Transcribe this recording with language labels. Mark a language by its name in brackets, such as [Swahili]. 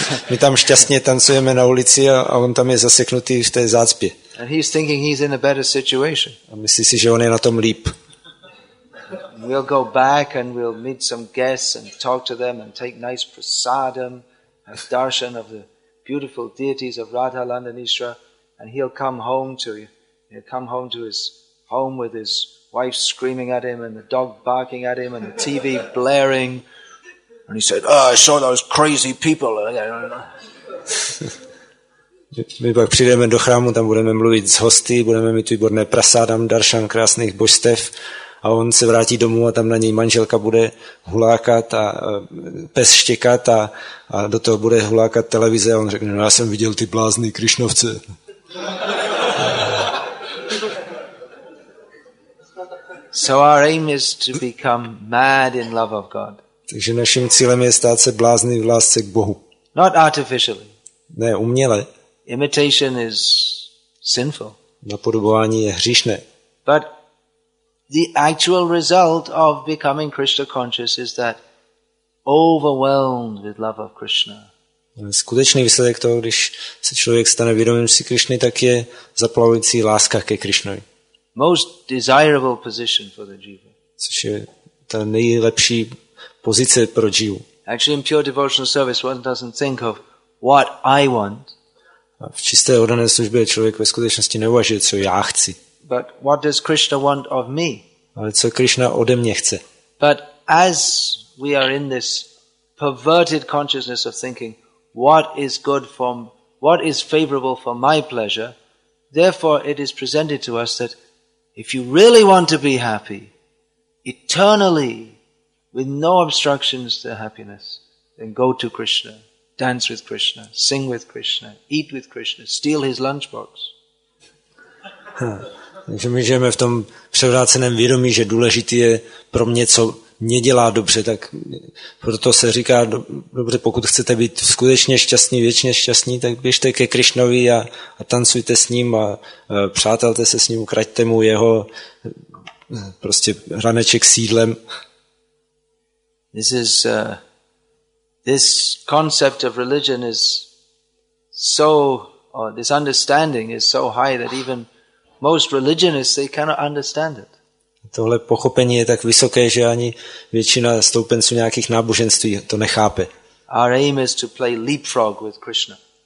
[Czech] My tam šťastně tancujeme na ulici a on tam je zaseknutý v té zácpě. [English] And he's thinking he's in a better situation. [Czech] A myslí si, že on je na tom líp. [English] We'll go back and we'll meet some guests and talk to them and take nice prasadam and darshan of the beautiful deities of Radha Landanishra, and he'll come home to his home with his wife screaming at him and the dog barking at him and the TV blaring, and he said, "Oh, I saw those crazy people." [Czech] My pak přijdeme do chrámu, tam budeme mluvit s hosty, budeme mít výborné prasadam, darshan krásných božstev. A on se vrátí domů a tam na něj manželka bude hulákat a pes štěkat a do toho bude hulákat televize a on řekne, no já jsem viděl ty blázny Krišnovce. [English] So our aim is to become mad in love of God. [Czech] Takže naším cílem je stát se blázny v lásce k Bohu. [English] Not artificially. [Czech] Ne, uměle. [English] Imitation is sinful. [Czech] Napodobování je hříšné. [English] But the actual result of becoming Krishna conscious is that overwhelmed with love of Krishna. [Czech] Skutečný výsledek toho, když se člověk stane vědomým si Krishny, tak je zaplavující láska ke Krishnovi. [English] Most desirable position for the jiva. [Czech] Což je ta nejlepší pozice pro jivu. [English] Actually, in pure devotional service, one doesn't think of what I want. [Czech] A v čisté oddané službě člověk ve skutečnosti neuvažuje, co já chci. [English] But what does Krishna want of me? [Czech] Ale co Krishna ode mě chce? [English] But as we are in this perverted consciousness of thinking, what is favorable for my pleasure, therefore it is presented to us that if you really want to be happy, eternally, with no obstructions to happiness, then go to Krishna, dance with Krishna, sing with Krishna, eat with Krishna, steal his lunchbox. [Czech] Takže my žijeme v tom převráceném vědomí, že důležitý je pro mě, co mě dělá dobře, tak proto se říká, dobře, pokud chcete být skutečně šťastní, věčně šťastní, tak běžte ke Krišnovi a tancujte s ním a přátelte se s ním, ukraďte mu jeho prostě hraneček s jídlem. [English] This concept of religion is so, or this understanding is so high that even most religionists, they cannot understand it. [Czech] Tohle pochopení je tak vysoké, že ani většina stoupenců nějakých náboženství to nechápe. [English] Our aim is to play leapfrog with Krishna.